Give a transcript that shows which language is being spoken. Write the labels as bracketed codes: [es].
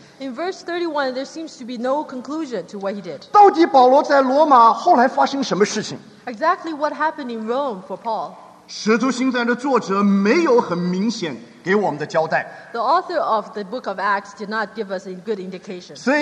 [en] In verse 31, there seems to be no conclusion to what he did. [zh] 到底保罗在罗马后来发生什么事情? [en] Exactly what happened in Rome for Paul. [zh] 使徒行传的作者没有很明显给我们的交代。 [en] The author of the book of Acts did not give us a good indication.